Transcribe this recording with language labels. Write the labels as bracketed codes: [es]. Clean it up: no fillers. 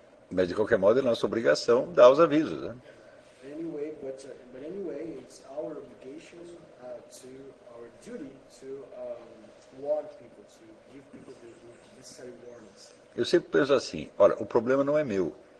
[pt] Mas, de qualquer modo, é nossa obrigação dar os avisos. Né? [en] Anyway, but anyway, it's our obligation to our duty to warn people, to give people the necessary warnings. [pt] Eu sempre penso assim, olha, o problema não é meu.